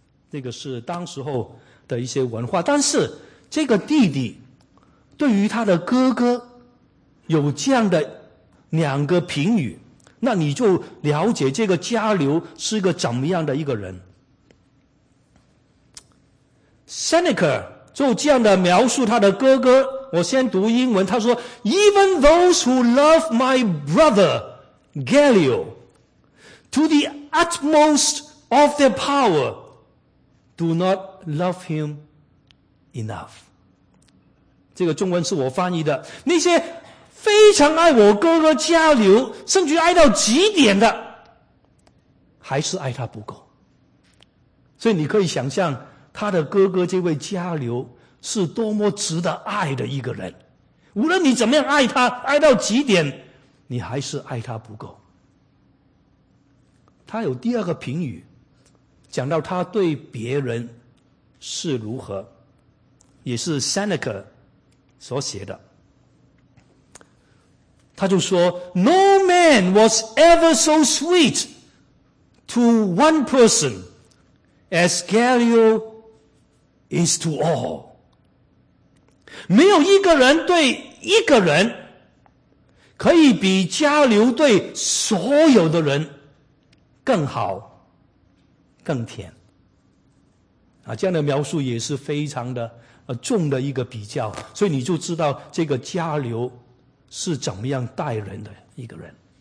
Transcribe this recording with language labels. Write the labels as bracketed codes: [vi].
[zh] 那个是当时候的一些文化。但是这个弟弟对于他的哥哥有这样的两个评语，那你就了解这个加流是一个怎么样的一个人。 [en] Seneca [zh] 就这样的描述他的哥哥，我先读英文，他说 [en] Even those who love my brother Gallio to the utmost of their power do not love him enough. [zh] 这个中文是我翻译的，那些非常爱我哥哥加流，甚至爱到极点的，还是爱他不够。所以你可以想象他的哥哥这位加流是多么值得爱的一个人，无论你怎么样爱他，爱到极点，你还是爱他不够。他有第二个评语，讲到他对别人是如何，也是 Seneca 所写的。他就说 [en] No man was ever so sweet to one person as Gallio is to all. [zh] 没有一个人对一个人可以比加流对所有的人更好更甜。啊，这样的描述也是非常的重的一个比较，所以你就知道这个加流是怎么样待人的一个人。